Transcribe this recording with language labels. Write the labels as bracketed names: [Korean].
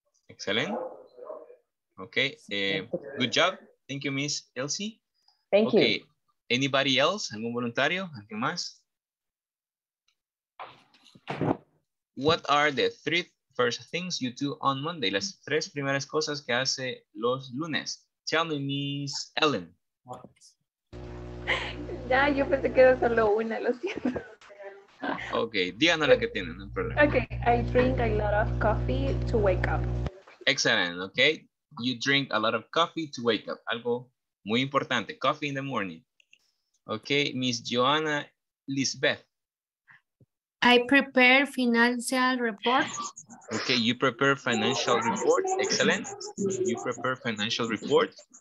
[English] Excellent. Okay. Good job. Thank you, Miss Elsie. Thank okay. you. Okay. Anybody else? [Spanish] ¿Algún voluntario? ¿Alguien más? [English] What are the three first things you do on Monday? [Spanish] Las tres primeras cosas que hace los lunes. [English] Tell me, Miss Ellen. [Spanish] Ya, yo pensé que era solo una, lo siento. Okay, díganos la que tienen, no hay problema. [English] Okay, I drink a lot of coffee to wake up. Excellent, okay. You drink a lot of coffee to wake up. [Spanish] Algo muy importante, [English] coffee in the morning. Okay, Miss Joanna Lisbeth. I prepare financial reports. Okay, you prepare financial reports. Excellent. You prepare financial reports.